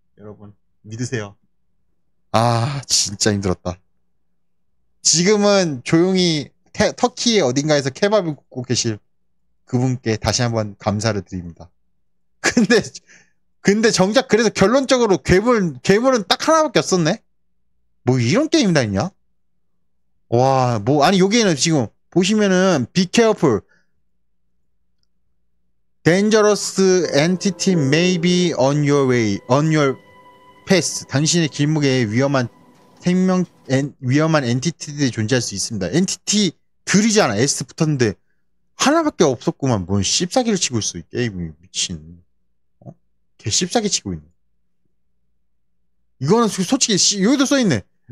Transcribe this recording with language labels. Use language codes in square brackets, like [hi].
[ko] 여러분 믿으세요. 아 진짜 힘들었다. 지금은 조용히 터키의 어딘가에서 케밥을 굽고 계실 그분께 다시 한번 감사를 드립니다. 근데 정작 그래서 결론적으로 괴물은 딱 하나밖에 없었네. 뭐 이런 게임이다 있냐. 와 뭐 아니 여기에는 지금 보시면은 [en] Be careful Dangerous entity may be on your way, on your path. [ko] 당신의 길목에 위험한 생명, 위험한 엔티티들이 존재할 수 있습니다. 엔티티들이잖아. S 붙었는데. 하나밖에 없었구만. 뭔 씹사기를 치고 있어. 이 게임이 미친. 어? 개 씹사기 치고 있네. 이거는 솔직히, 여기도 써있네.